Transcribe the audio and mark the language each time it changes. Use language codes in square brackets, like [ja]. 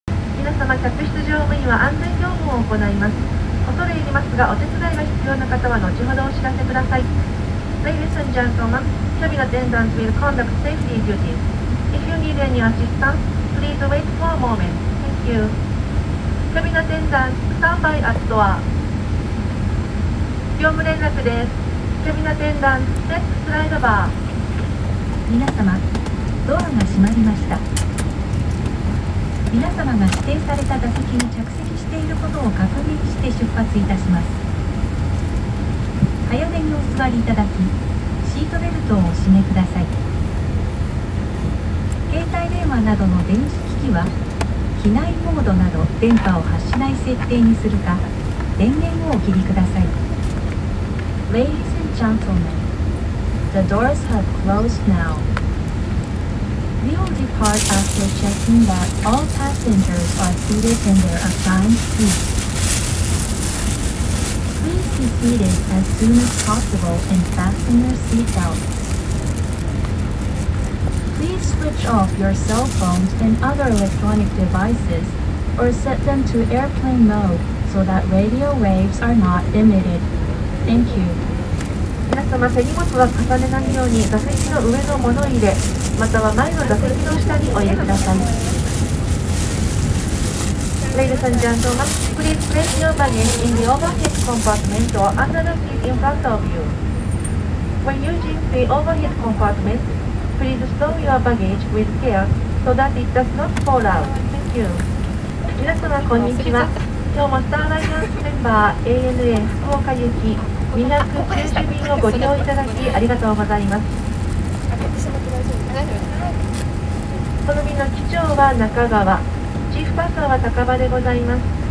[ja] 様客室乗務員は安全業務を行います。恐れ入りますがお手伝いが必要な方は後ほどお知らせください。 [en] Ladies and gentlemen, cabin attendants will conduct safety duties. If you need any assistance, please wait for a moment. Thank you. Cabin attendants, stand by at door. [ja] 業務連絡です。キャビンアテンダント、ステップスライドバー。皆様、ドアが閉まりました。皆様が指定された座席に着席していることを確認して出発いたします。早めにお座りいただき、シートベルトをお締めください。携帯電話などの電子機器は機内モードなど電波を発しない設定にするか、電源をお切りください。 [en] Ladies and gentlemen, the doors have closed now. We will depart after checking that all passengers are seated in their assigned seats. Please be seated as soon as possible and fasten your seatbelts. Please switch off your cell phones and other electronic devices or set them to airplane mode so that radio waves are not emitted. Thank you. [ja] 皆様、手荷物は重ねないように座席の上の物入れ、または前の座席の下にお入れください。 [en] Ladies and gentlemen, please place your baggage in the overhead compartment or under the seat in front of you. When using the overhead compartment, please store your baggage with care so that it does not fall out. Thank you. [ja] 皆様、こんにちは。今日もスターライアンスメンバー ANA 福岡行き290便をご利用いただきありがとうございます。この便の機長は中川、チーフパーサーは高場でございます。